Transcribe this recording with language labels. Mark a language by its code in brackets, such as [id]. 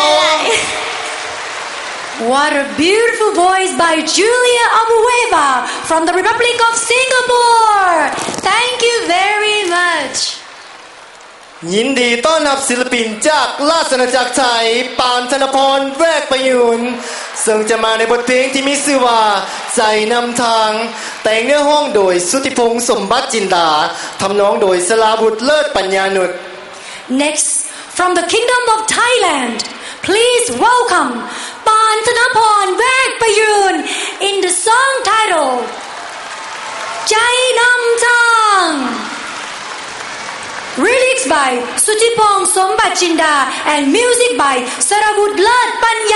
[en] What a beautiful voice by Julia Abueva from the Republic of Singapore. Thank you very much. [th] ยินดีต้อนรับศิลปินจากราชอาณาจักรไทยปานธนพรแวกประยูนซึ่งจะมาในบทเพลงที่มีชื่อว่าใจนำทางแต่งเนื้อห้องโดยสุทธิพงษ์สมบัติจินดาทำนองโดยสราบุตรเลิศปัญญานุช [en] Next from the Kingdom of Thailand please welcomePan Thanaporn Vek Payun in the song titled Chai Nam Thang Lyrics by Suchipong Sombat Chinda and music by Sarawut Lat Payun